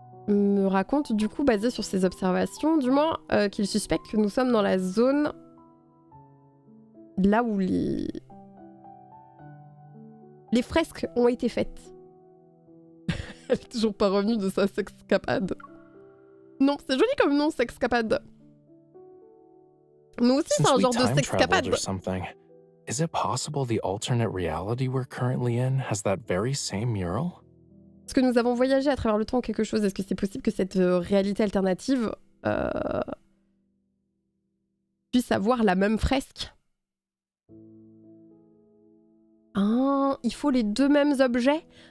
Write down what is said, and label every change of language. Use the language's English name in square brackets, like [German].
[French] me raconte, du coup, basé sur ses observations, du moins, qu'il suspecte que nous sommes dans la zone... là où les... les fresques ont été faites. Elle est toujours pas revenue de sa sexcapade. Non, c'est joli comme nom, sexcapade. Nous aussi, c'est un genre de sexcapade. [English] Is it possible the alternate reality we're currently in has that very same mural? [French] Est-ce que nous avons voyagé à travers le temps quelque chose? Est-ce que c'est possible que cette réalité alternative puisse avoir la même fresque? Ah, il faut les deux mêmes objets.